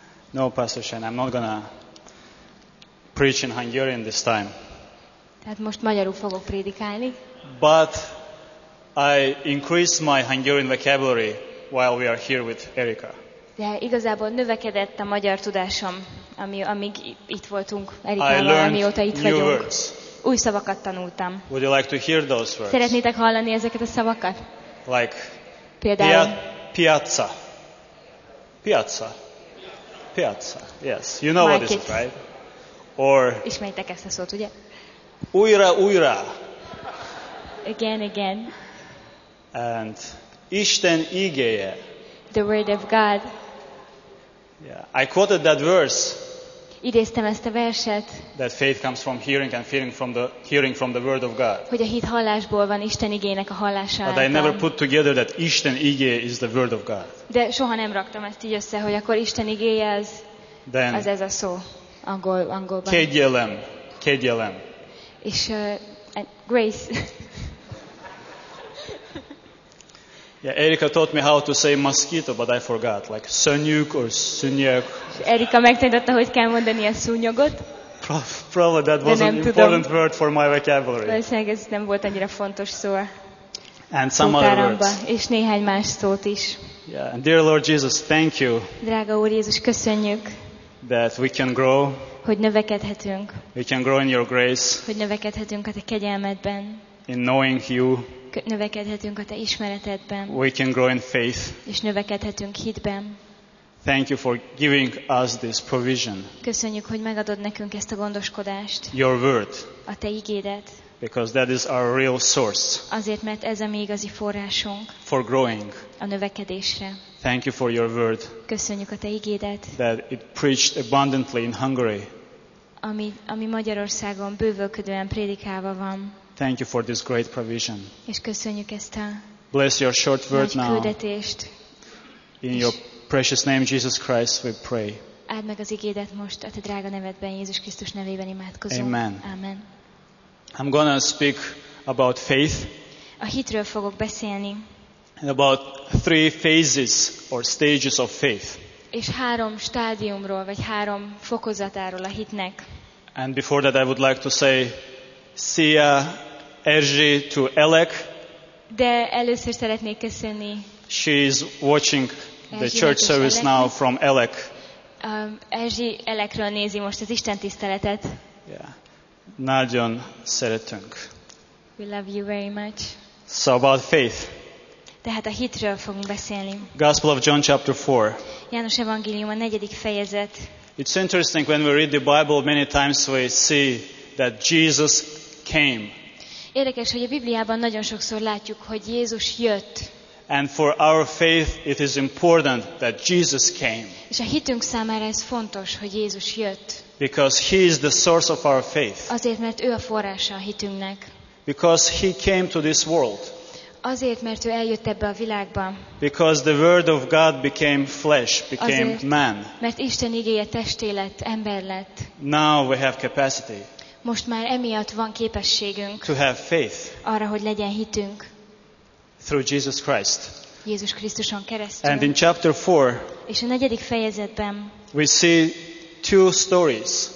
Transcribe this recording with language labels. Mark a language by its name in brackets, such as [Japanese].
[English] No, Pastor Shen, I'm not gonna preach in Hungarian this time. [Hungarian] Tehát most magyarul fogok prédikálni. [English] But I increased my Hungarian vocabulary while we are here with Erika. [Hungarian] De igazából növekedett a magyar tudásom, amíg itt voltunk, Erikával, amióta itt vagyunk. [English] Words. [Hungarian] Új szavakat tanultam. [English] Would you like to hear those words? [Hungarian] Szeretnétek hallani ezeket a szavakat? [English] Like, [Hungarian] például, [English] piazza. Piazza. Piazza. Yes, you know market. What is it, right? Or, [Hungarian] ismerjétek ezt a szót, ugye? Újra, újra. [English] Again, again. [Hungarian] And Isten igéje. [English] The word of God. Yeah, I quoted that verse. [Hungarian] Idéztem ezt a verset. [English] That faith comes from hearing and hearing from the word of God. [Hungarian] Hogy a hit hallásból van, Isten igének a hallása. [English] But I never put together that Isten igé is the word of God. [Hungarian] De soha nem raktam ezt így össze, hogy akkor Isten igéje az. [English] Then, [Hungarian] az ez a szó angolban. Kegyelem, kegyelem. És grace. [English] Yeah, Erika taught me how to say mosquito, but I forgot. Like szönyük or szűnyeg. [Hungarian] Erika megtanította, hogy kell mondani a szúnyogot. [English] Probably that was an important word for my vocabulary. [Hungarian] Valószínűleg ez nem volt annyira fontos szó. [English] And some other words. [Hungarian] És néhány más szót is. [English] Yeah, and dear Lord Jesus, thank you. [Hungarian] Drága Úr Jézus, köszönjük. [English] That we can grow. [Hungarian] Hogy növekedhetünk. [English] We can grow in your grace. [Hungarian] Hogy növekedhetünk a te kegyelmedben. [English] In knowing you. [Hungarian] Növekedhetünk a te ismeretedben. [English] We can grow in faith. [Hungarian] És növekedhetünk hitben. [English] Thank you for giving us this provision. [Hungarian] Köszönjük, hogy megadod nekünk ezt a gondoskodást. [English] Your word. [Hungarian] A te igédet. [English] Because that is our real source. [Hungarian] Azért, mert ez a mi igazi forrásunk. [English] For growing. [Hungarian] A növekedésre. [English] Thank you for your word. [Hungarian] Köszönjük a te igédet. [English] That it preached abundantly in Hungary. [Hungarian] Ami Magyarországon bővölködően prédikálva van. [English] Thank you for this great provision. [Hungarian] És köszönjük ezt a [English] bless your short word now. [Hungarian] Küldetést. [English] In your precious name, Jesus Christ, we pray. [Hungarian] Áld meg az igédet most a te drága nevedben, Jézus Krisztus nevében imádkozom. Amen. Amen. [English] I'm gonna speak about faith. [Hungarian] A hitről fogok beszélni. [English] And about three phases or stages of faith. [Hungarian] És három stádiumról, vagy három fokozatáról a hitnek. [English] And before that I would like to say Szia, Erzsi to Elek. [Hungarian] De először szeretnék köszönni. [English] She is watching the church service now from Elek. [Hungarian] Erzsi Elekről nézi most az Isten tiszteletet. Yeah. Nagyon szeretünk. [English] We love you very much. So about faith. [Hungarian] Tehát a hitről fogunk beszélni. [English] Gospel of John chapter 4. [Hungarian] János evangélium a 4. fejezet. [English] It's interesting when we read the Bible many times we see that Jesus came. [Hungarian] Érdekes, hogy a Bibliában nagyon sokszor látjuk, hogy Jézus jött. [English] And for our faith it is important that Jesus came. [Hungarian] És a hitünk számára ez fontos, hogy Jézus jött. [English] Because he is the source of our faith. [Hungarian] Azért, mert ő a forrása a hitünknek. [English] Because he came to this world. [Hungarian] Azért, mert ő eljött ebbe a világba. [English] Because the word of God became flesh, became [Hungarian] azért, [English] man. [Hungarian] Mert Isten igéje testé lett, ember lett. [English] Now we have capacity. [Hungarian] Most már emiatt van képességünk [English] to have faith [Hungarian] arra, hogy legyen hitünk [English] through Jesus Christ. [Hungarian] Jézus Krisztuson keresztül. [English] And in chapter 4, [Hungarian] és a 4. fejezetben [English] we see two stories.